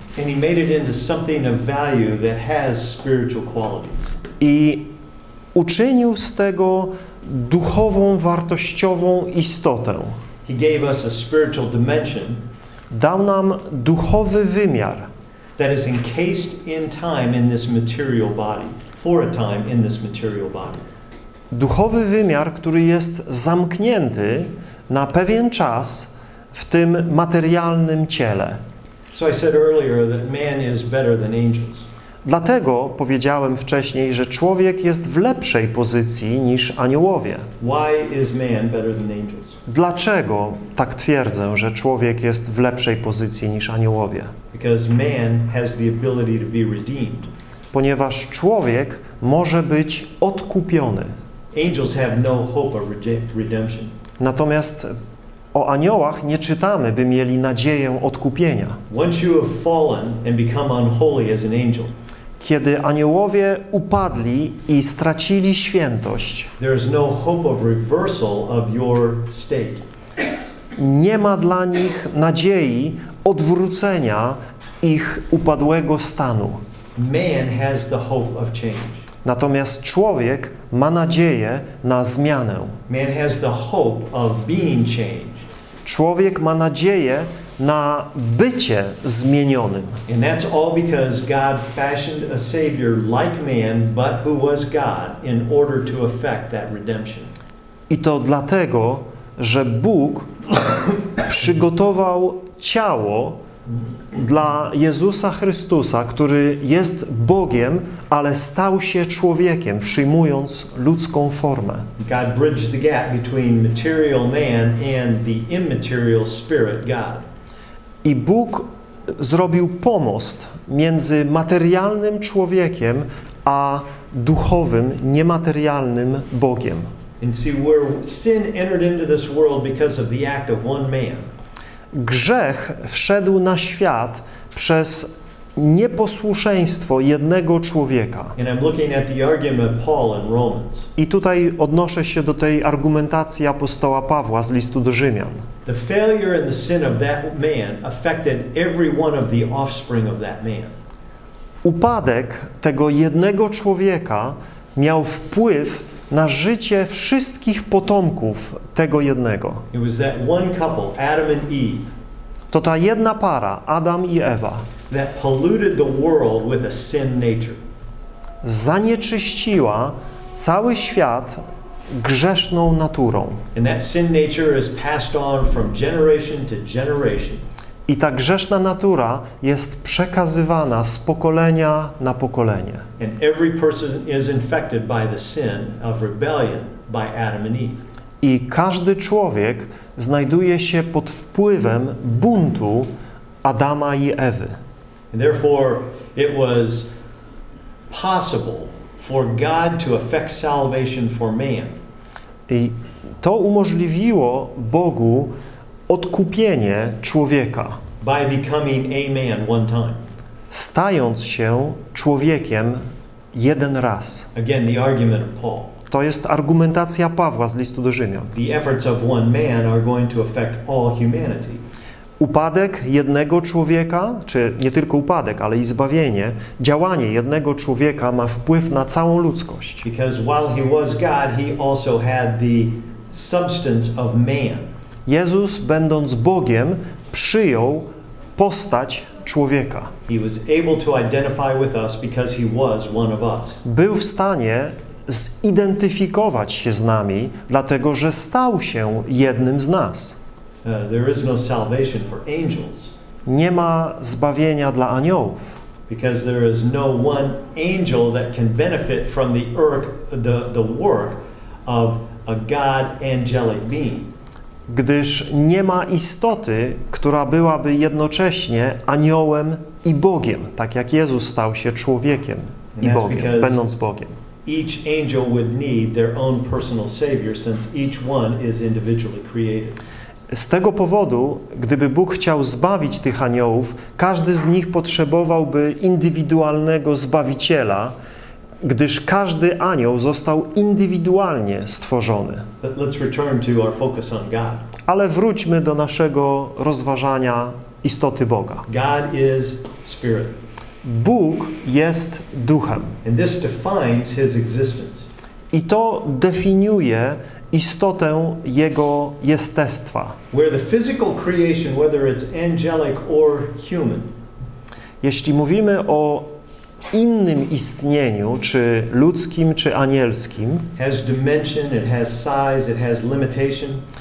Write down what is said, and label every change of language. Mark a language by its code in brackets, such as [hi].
[en] And he made it into something of value that has spiritual qualities. [pl] I uczynił z tego duchową, wartościową istotę. [en] He gave us a spiritual dimension. [pl] Dał nam duchowy wymiar. [en] That is encased in time in this material body. For a time in this material body. [pl] Duchowy wymiar, który jest zamknięty na pewien czas w tym materialnym ciele. [en] So I said earlier that man is better than angels. [pl] Dlatego powiedziałem wcześniej, że człowiek jest w lepszej pozycji niż aniołowie. [en] Why is man better than angels? [pl] Dlaczego tak twierdzę, że człowiek jest w lepszej pozycji niż aniołowie? [en] Because man has the ability to be redeemed. [pl] Ponieważ człowiek może być odkupiony. [en] Angels have no hope of redemption. [pl] Natomiast o aniołach nie czytamy, by mieli nadzieję odkupienia. [en] Once you have fallen and become unholy as an angel, [pl] kiedy aniołowie upadli i stracili świętość, [en] there is no hope of reversal of your state. [pl] Nie ma dla nich nadziei odwrócenia ich upadłego stanu. [en] Man has the hope of change. [pl] Natomiast człowiek ma nadzieję na zmianę. [en] Man has the hope of being changed. [pl] Człowiek ma nadzieję na bycie zmienionym. [en] And that's all because God fashioned a savior like man, but who was God, in order to effect that redemption. [pl] I to dlatego, że Bóg przygotował ciało dla Jezusa Chrystusa, który jest Bogiem, ale stał się człowiekiem, przyjmując ludzką formę. [en] God bridged the gap between material man and the immaterial spirit God. [pl] I Bóg zrobił pomost między materialnym człowiekiem a duchowym, niematerialnym Bogiem. [en] And see, where sin entered into this world because of the act of one man. [pl] Grzech wszedł na świat przez nieposłuszeństwo jednego człowieka. [en] And I'm looking at the argument of Paul in Romans. [pl] I tutaj odnoszę się do tej argumentacji apostoła Pawła z listu do Rzymian. [en] The failure and the sin of that man affected every one of the offspring of that man. [pl] Upadek tego jednego człowieka miał wpływ na życie wszystkich potomków tego jednego. [en] It was that one couple, Adam and Eve, [pl] to ta jedna para, Adam i Ewa, [en] that polluted the world with a sin nature. [pl] Zanieczyściła cały świat grzeszną naturą. [en] And that sin nature is passed on from generation to generation. [pl] I ta grzeszna natura jest przekazywana z pokolenia na pokolenie. [en] And every person is infected by the sin of rebellion by Adam and Eve. [pl] I każdy człowiek znajduje się pod wpływem buntu Adama i Ewy. [en] And therefore it was possible for God to effect salvation for man. [pl] I to umożliwiło Bogu odkupienie człowieka. [en] By becoming a man one time. [pl] Stając się człowiekiem jeden raz. [en] Again, the argument of Paul. [pl] To jest argumentacja Pawła z listu do Rzymian. [en] The efforts of one man are going to affect all humanity. [pl] Upadek jednego człowieka, czy nie tylko upadek, ale i zbawienie, działanie jednego człowieka ma wpływ na całą ludzkość. [en] Because while he was God, he also had the substance of man. [pl] Jezus, będąc Bogiem, przyjął postać człowieka. [en] He was able to identify with us because he was one of us. [pl] Był w stanie zidentyfikować się z nami, dlatego że stał się jednym z nas. [en] There is no salvation for angels. [pl] Nie ma zbawienia dla aniołów. [en] Because there is no one angel that can benefit from the work of a God angelic being. [pl] Gdyż nie ma istoty, która byłaby jednocześnie aniołem i Bogiem, tak jak Jezus stał się człowiekiem i Bogiem, będąc Bogiem. [en] Each angel would need their own personal savior, since each one is individually created. [pl] Z tego powodu, gdyby Bóg chciał zbawić tych aniołów, każdy z nich potrzebowałby indywidualnego zbawiciela, gdyż każdy anioł został indywidualnie stworzony. [en] Let's return to our focus on God. [pl] Ale wróćmy do naszego rozważania istoty Boga. [en] God is spirit. [pl] Bóg jest duchem. [en] And this defines his existence. [pl] I to definiuje istotę jego jestestwa. [en] Where the physical creation, whether it's angelic or human. [pl] Jeśli mówimy o innym istnieniu, czy ludzkim, czy anielskim, [en] has dimension, it has size, it has limitation.